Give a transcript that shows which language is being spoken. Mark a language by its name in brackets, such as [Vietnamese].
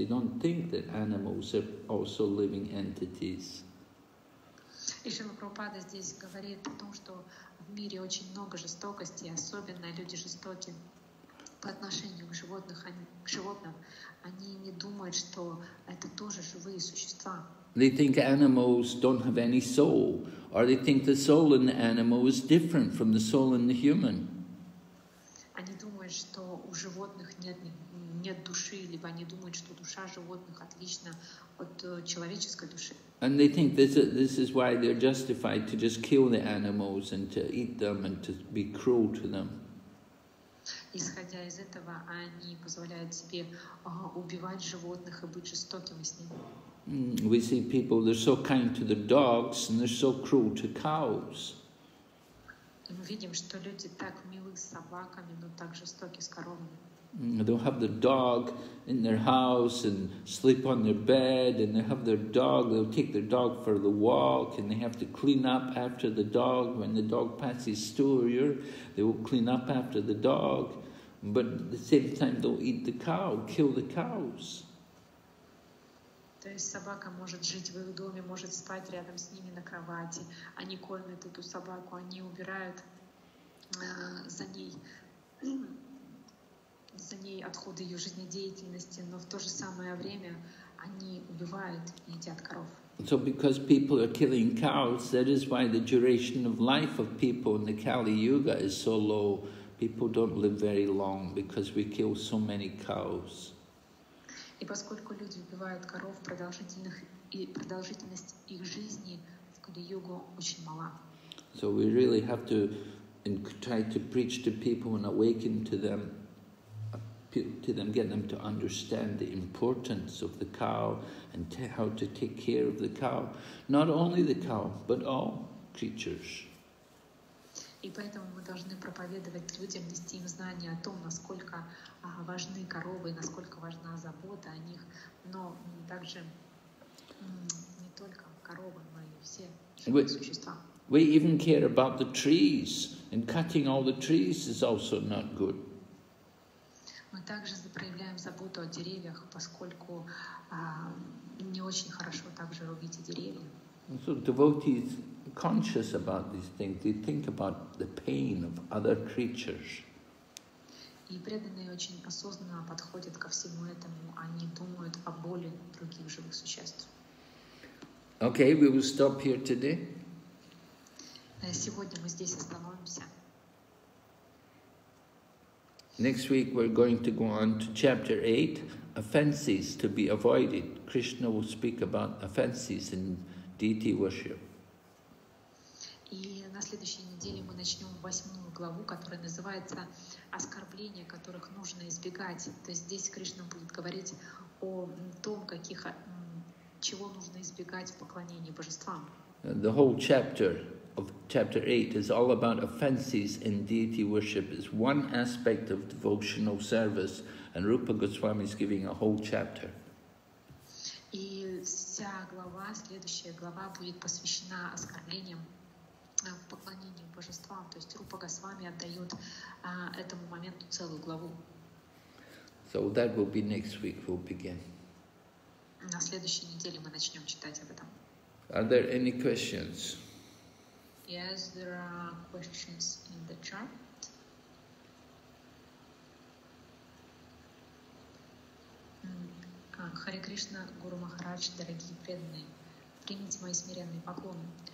[English] They don't think that animals are also living entities. [Russian] И Шрила Прабхупада здесь говорит о том, что в мире очень много жестокости, особенно люди жестоки по отношению к животных, к животным. Они не думают, что это тоже живые существа. [English] They think animals don't have any soul, or they think the soul in the animal is different from the soul in the human. [Russian] Они думают, что у животных нет души, либо они думают, что душа животных отлична от человеческой души. [English] And they think this is why they're justified to just kill the animals and to eat them and to be cruel to them. [Russian] Исходя из этого, они позволяют себе убивать животных и быть жестокими с ними. [English] We see people, they're so kind to the dogs and they're so cruel to cows. [Russian] Мы видим, что люди так милы с собаками, но так жестоки с коровами. [English] They'll have the dog in their house and sleep on their bed, and they have their dog, they'll take their dog for the walk, and they have to clean up after the dog. When the dog passes through, they will clean up after the dog, but at the same time they'll eat the cow, kill the cows. [Russian] То есть собака может жить в их доме, может спать рядом с ними на кровати. Они кормят эту собаку, они убирают за ней. За ней отходы ее жизнедеятельности, но в то же самое время они убивают и едят коров. [English] So because people are killing cows, that is why the duration of life of people in the Kali Yuga is so low. People don't live very long because we kill so many cows. [Russian] И поскольку люди убивают коров, продолжительность их жизни в Кали Югу очень мала. [English] So we really have to try to preach to people and awaken to them to them, get them to understand the importance of the cow and how to take care of the cow, not only the cow, but all creatures. [Russian] И поэтому мы должны проповедовать людям, нести им знания о том, насколько важны коровы, насколько важна забота о них, но также не только коровы, но и все живые существа. [English] We even care about the trees, and cutting all the trees is also not good. [Russian] Мы также проявляем заботу о деревьях, поскольку не очень хорошо также рубить деревья. [English] So devotees conscious about these things, they think about the pain of other creatures. [Russian] И преданные очень осознанно подходят ко всему этому, они думают о боли других живых существ. [English] Okay, we will stop here today. [Russian] Сегодня мы здесь остановимся. [English] Next week we're going to go on to chapter 8, offenses to be avoided. Krishna will speak about offenses in deity worship. [Russian] И на следующей неделе мы начнем восьмую главу, которая называется «Оскорбления, которых нужно избегать». То есть здесь Кришна будет говорить о том, каких, чего нужно избегать в поклонении божествам. [English] The whole chapter of chapter 8 is all about offenses in deity worship. It's one aspect of devotional service, and Rupa Goswami is giving a whole chapter. [Russian] И вся глава, следующая глава будет посвящена оскорблениям в поклонении божествам. То есть Рупа Госвами отдает этому моменту целую главу. [English] So that will be next week, we'll begin. [Russian] На следующей неделе мы начнем читать об этом. [English] Are there any questions? Yes, there are questions in the chat. [Russian] Hare Krishna, Guru Maharaj, дорогие преданные, примите мои смиренные поклоны.